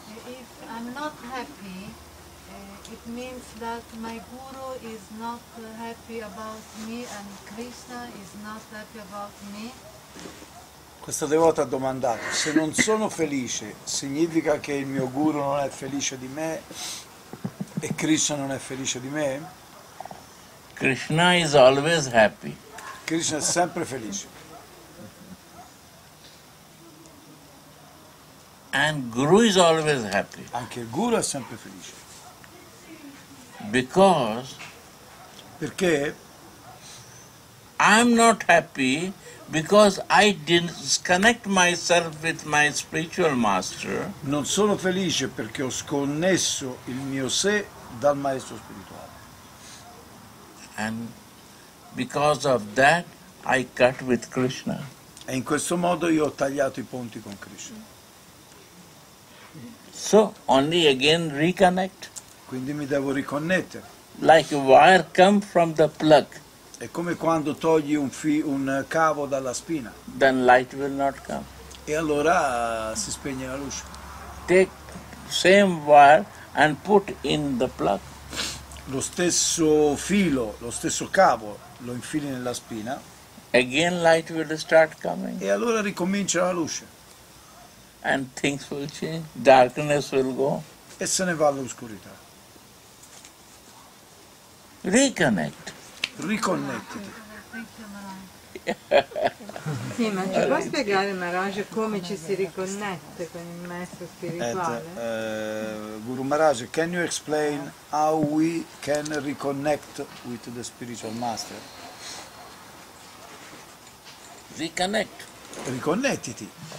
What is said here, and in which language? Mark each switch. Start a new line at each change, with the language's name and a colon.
English: If I'm not happy, it means that my guru is not happy about me and Krishna is not happy about me.
Italian: Questa devota ha domandato, se non sono felice, significa che il mio guru non è felice di me e Krishna non è felice di me?
English: Krishna is always happy.
Italian: Krishna è sempre felice.
English: And Guru is always happy.
Italian: Anche il Guru è sempre felice.
English: Because
Italian: perché
English: I'm not happy because I disconnect myself with my spiritual master.
Italian: Non sono felice perché ho sconnesso il mio sé dal maestro spirituale.
English: And because of that I cut with Krishna.
Italian: E in questo modo io ho tagliato i ponti con Krishna.
English: So only again reconnect.
Italian: Quindi mi devo riconnettere.
English: Like a wire come from the plug.
Italian: È come quando togli un cavo dalla spina.
English: Then light will not come.
Italian: E allora si spegne la luce.
English: Take same wire and put in the plug.
Italian: Lo stesso filo, lo stesso cavo, lo infili nella spina.
English: Again light will start coming.
Italian: E allora ricomincia la luce.
English: And things will change, darkness will go.
Italian: E se ne va l'oscurità.
English: Reconnect.
Italian: Riconnettiti. Sì, ma ci può spiegare, Maharaj, come ci si riconnette con il maestro spirituale?
English: Guru Maharaj, can you explain how we can reconnect with the spiritual master? Reconnect.
Italian: Riconnettiti.